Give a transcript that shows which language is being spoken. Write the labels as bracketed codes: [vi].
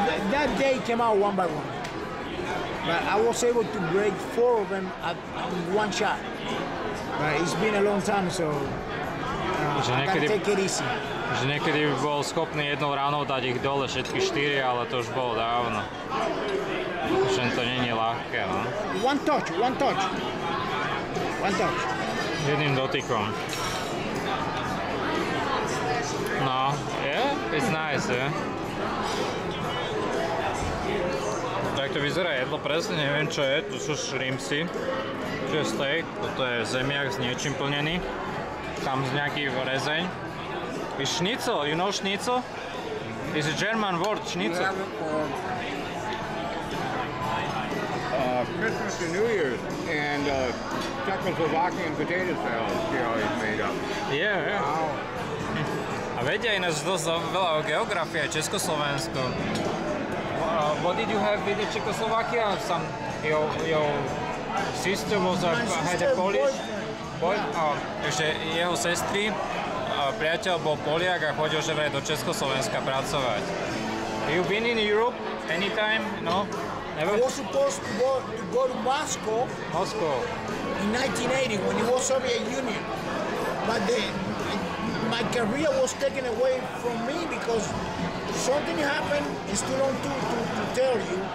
[en] That day came out one by one. But I was able to break four of them at one shot. But it's been a long time, so I can take it easy. [sk] Že niekedy by bol schopný jednou ránou dať ich dole všetky štyri, ale to už bolo dávno. Že to není ľahké, no. [en] One touch. [sk] Jedným dotykom. [en] No, yeah, it's nice, yeah. [sk] Tak to vyzerá jedlo, presne neviem čo je, to sú shrimpsy, čo je steak, toto je zemiak s niečím plnený, tam z nejaký rezeň. [en] I schnitzel, you know schnitzel? It's a German word, schnitzel. Christmas and New Year's and Czechoslovakian potato salad, you know, he's made up. Yeah, yeah. Wow. [sk] A vedia ináč dosť veľa o geografii, Československo. [en] What did you have with the Czechoslovakia? Some, your sister was a, had a Polish boy? [sk] Takže jeho sestry, priateľ bol Poliak a chodil že vraj do Československa pracovať. [en] You been in Europe anytime? No? Never? I was supposed to go to Moscow. Moscow. In 1980, when it was Soviet Union. But then, my career was taken away from me because something happened, it's too long to tell you.